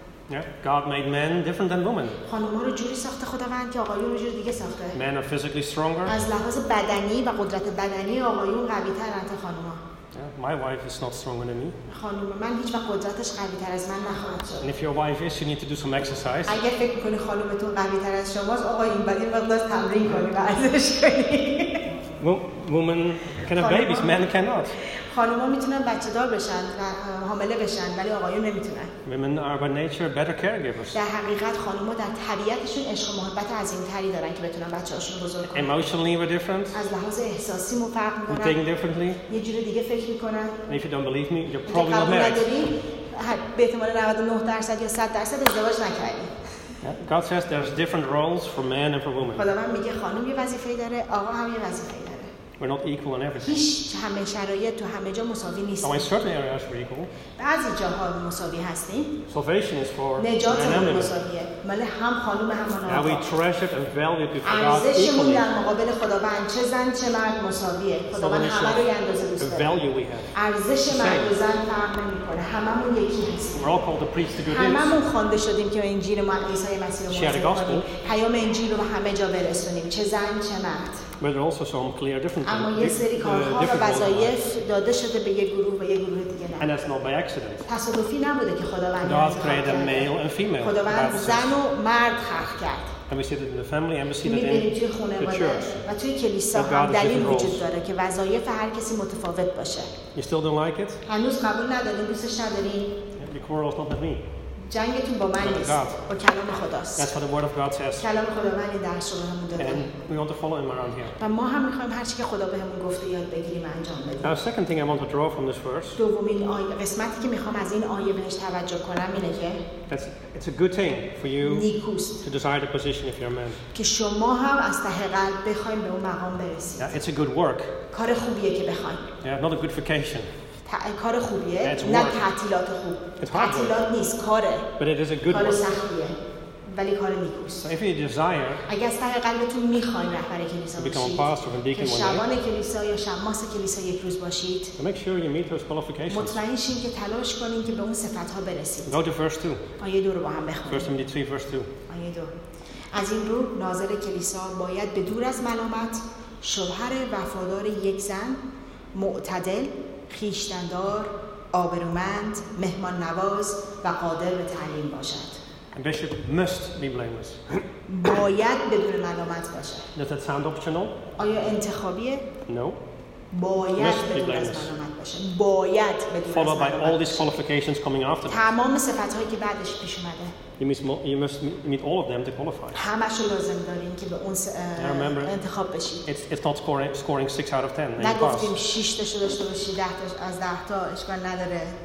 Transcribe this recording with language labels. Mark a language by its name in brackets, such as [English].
[English] Yeah. God made men different than women. [Persian] خانم‌ها رو جوری ساخته خداوند که آقایون رو جوری دیگه ساخته. [English] Men are physically stronger. [Persian] از لحاظ بدنی و قدرت بدنی آقایون قوی‌ترن تا خانم‌ها. [English] Yeah, my wife is not stronger than me. [Persian] خانم من هیچ وقت قدرتش قوی تر از من نخواهد شد. [English] And if your wife is, you need to do some exercise. [Persian] اگه فکر کنی خانومتون قوی تر از شماست، آقا این بدی مقدار تمرین کنی و ازش کنی. [English] Women can have babies, men cannot. [Persian] خانوما میتونن بچه دار بشن و حامله بشن، ولی آقایون نمیتونن. [English] Women are by nature better caregivers. [Persian] در حقیقت خانوما در طبیعتشون عشق و محبت عظیم‌تری دارن که بتونن بچه‌هاشون بزرگ کنن. [English] Emotionally we're different. [Persian] از لحاظ احساسی مو فرق می‌کنن. [English] Think differently. [Persian] یه جوری دیگه فکر می‌کنن. [English] If you don't believe me, you're probably not married. [Persian] به احتمال 99% یا 100% ازدواج نکردی. [English] God says there's different roles for men and for women. [Persian] خداوند میگه خانم یه وظیفه‌ای داره، آقا هم یه وظیفه‌ای داره. [English] We're not equal in everything. [Persian] هیچ همه شرایط تو همه جا مساوی نیست. [English] Oh, in certain areas we're equal. [Persian] بعضی جاها مساوی هستیم. [English] Salvation is for [Persian] نجات [English] men and [Persian] مساویه. ملی هم خانوم هم مرد. [English] Are we treasured and valued before God equally? [Persian] ارزشمون در مقابل خداوند چه زن چه مرد مساویه. خداوند همه رو اندازه دوست داره. ارزش مرد و زن فرق نمی‌کنه. هممون یکی هستیم. [English] We're all called to preach the good news. [Persian] هممون خوانده شدیم که انجیل عیسی مسیح رو بشنویم. [English] Share the gospel. [Persian] پیام انجیل رو به همه جا برسونیم. چه زن چه مرد. [English] But there are also some clear different things. [Persian] اما یه سری کارها و وظایف داده شده به یه گروه و یه گروه دیگه نه. [English] And that's not by accident. [Persian] تصادفی نبوده که خداوند [English] God created male and female. [Persian] خداوند زن و مرد خلق کرد. [English] And we see that in the family, and we see that in the church. [Persian] و توی کلیسا هم دلیل وجود داره که وظایف هر کسی متفاوت باشه. [English] You still don't like it? [Persian] هنوز قبول ندارین، دوستش ندارین؟ [English] The quarrel is not with me. [Persian] جنگتون با من نیست، با کلام خداست. [English] That's what the word of God says. [Persian] کلام خداوند درس رو همون داده. [English] And we want to follow him around here. [Persian] و ما هم می‌خوایم هر چی که خدا بهمون گفته یاد بگیریم و انجام بدیم. [English] The second thing I want to draw from this verse. [Persian] دومین آیه، قسمتی که می‌خوام از این آیه بهش توجه کنم اینه که [English] It's a good thing for you to desire the position if you're a man. [Persian] که شما هم از ته قلب بخواید به اون مقام برسید. [English] Yeah, it's a good work. [Persian] کار خوبیه که بخواید. [English] Yeah, not a good vacation. [Persian] کار خوبیه، نه تعطیلات خوب. تعطیلات نیست، کاره. [English] But it is a good [Persian] کار سختیه، ولی کار نیکوست. [English] So if you desire, [Persian] اگه از ته قلبتون میخواین رهبر کلیسا بشید، [English] become a pastor or a deacon [Persian] که شبان کلیسا یا شماس کلیسا یک روز باشید، [English] so make sure you meet those qualifications. [Persian] مطمئن شین که تلاش کنین که به اون صفتها برسید. [English] Go to verse 2. [Persian] آیه 2 رو با هم بخونیم. [English] First Timothy 3, verse 2. [Persian] آیه 2. از این رو ناظر کلیسا باید به دور از ملامت شوهر وفادار یک زن، معتدل، خیشتندار، آبرومند، مهمان نواز و قادر به تعلیم باشد. [English] Bishop must be blameless. [Persian] باید بدون ملامت باشد. [English] Does that sound optional? [Persian] آیا انتخابیه؟ [English] No. [Persian] باید بدون ملامت باشد. باید بدون ملامت باشد. [English] Followed by all these qualifications coming after. [Persian] تمام صفاتی که بعدش پیش اومده. [English] You must meet all of them to qualify. [Persian] همه‌شو لازم دارین که به اون انتخاب بشید. [English] It's not scoring 6 out of 10. [Persian] نگفتیم 6 تا شده داشته باشید، 10 تا از 10 تا اشکال نداره.